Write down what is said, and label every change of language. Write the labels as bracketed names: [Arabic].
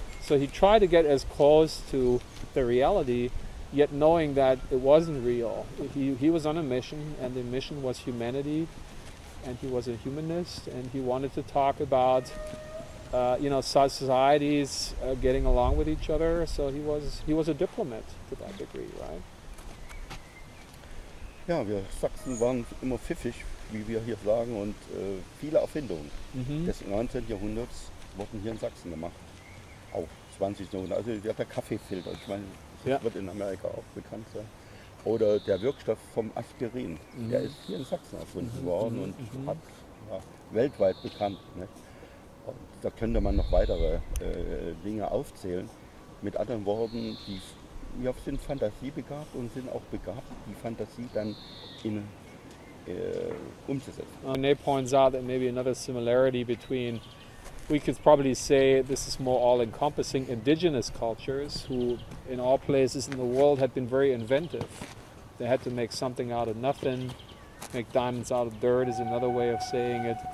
[English] So he tried to get as close to the reality, yet knowing that it wasn't real. He was on a mission, and the mission was humanity. And he was a humanist, and he wanted to talk about, you know, societies getting along with each other. So he was a diplomat to that degree, right? [German] Ja, wir Sachsen waren immer pfiffig, wie wir hier sagen, und viele Erfindungen des 19. Jahrhunderts wurden hier in Sachsen gemacht, auch 20. Jahrhundert. Also wir hatten Kaffeefilter, ich meine, das wird in Amerika auch bekannt sein. Oder der Wirkstoff vom Aspirin, der ist hier in Sachsen erfunden worden und hat ja, weltweit bekannt. Ne? Und da könnte man noch weitere Dinge aufzählen. Mit anderen Worten, die ja, sind fantasiebegabt und sind auch begabt, die Fantasie dann in umzusetzen. [English] Rene points out that maybe another similarity between, we could probably say this is more all-encompassing, indigenous cultures who in all places in the world had been very inventive. They had to make something out of nothing, make diamonds out of dirt is another way of saying it.